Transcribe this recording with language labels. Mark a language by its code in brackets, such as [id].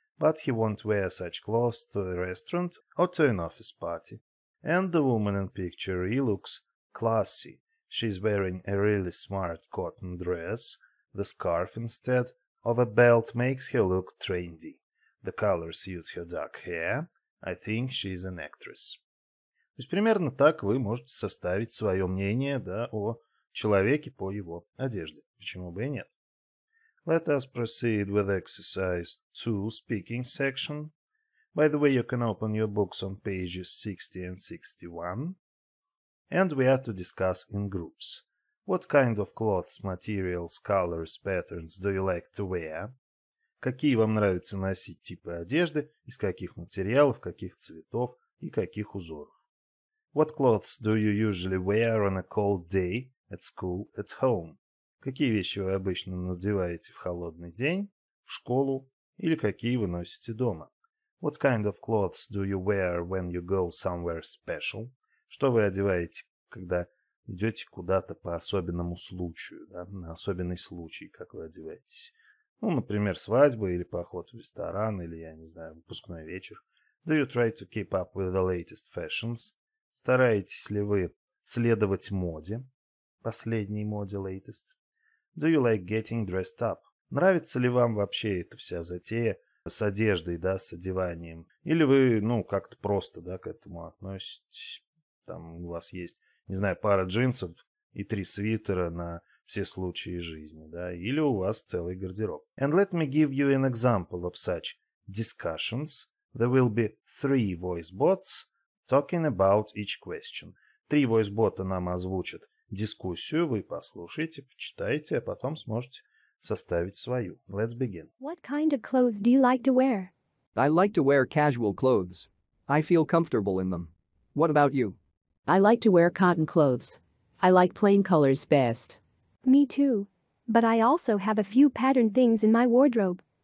[en] But he won't wear such clothes to a restaurant or to an office party. And the woman in picture E looks classy. She's wearing a really smart cotton dress. The scarf instead of a belt makes her look trendy. The color suits her dark hair. I think she is an actress. [ru] То есть примерно так вы можете составить свое мнение, да, о человеке по его одежде. Почему бы и нет? [en] Let us proceed with exercise 2, speaking section. By the way, you can open your books on pages 60 and 61. And we are to discuss in groups. What kind of clothes, materials, colors, patterns do you like to wear? [ru] Какие вам нравится носить типы одежды, из каких материалов, каких цветов и каких узоров? [en] What clothes do you usually wear on a cold day, at school, at home? [ru] Какие вещи вы обычно надеваете в холодный день, в школу, или какие вы носите дома? [en] What kind of clothes do you wear when you go somewhere special? [ru] Что вы одеваете, когда идете куда-то по особенному случаю, да, на особенный случай, как вы одеваетесь? Ну, например, свадьба или поход в ресторан, или, я не знаю, выпускной вечер. [en] Do you try to keep up with the latest fashions? [ru] Стараетесь ли вы следовать моде, последней моде, latest? [en] Do you like getting dressed up? [ru] Нравится ли вам вообще эта вся затея с одеждой, да, с одеванием? Или вы, ну, как-то просто, да, к этому относитесь? Там у вас есть, не знаю, пара джинсов и три свитера на все случаи жизни, да? Или у вас целый гардероб? [en] And let me give you an example of such discussions. There will be three voice bots talking about each question. [ru] Три voice bota нам озвучат дискуссию, вы послушаете, почитаете, а потом сможете составить свою. [en] Let's begin. What kind of clothes do you like to wear? I like to wear casual clothes. I feel comfortable in them. What about you? I like to wear cotton clothes. I like plain colors best. Me too. But I also have a few patterned things in my wardrobe.